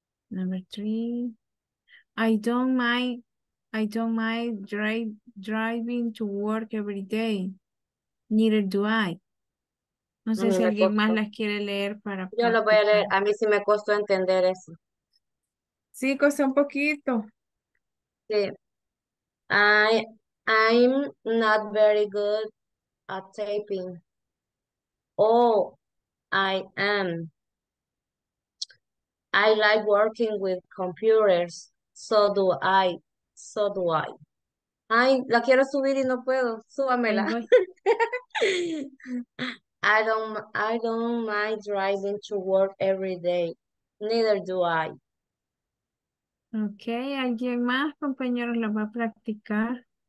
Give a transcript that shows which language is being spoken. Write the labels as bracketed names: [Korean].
[English] Number three, I don't mind driving to work every day. Neither do I. [Spanish] No sé si alguien más las quiere leer para practicar. Yo lo voy a leer. A mí sí me costó entender eso. Sí, costó un poquito. [English] Sí. I'm not very good at typing. Oh, I am. I like working with computers. So do I. So do I. [Spanish] Ay, la quiero subir y no puedo. Súbamela. [English] I don't mind driving to work every day. Neither do I. [Spanish] Okay, ¿alguien más, compañeros, lo va a practicar?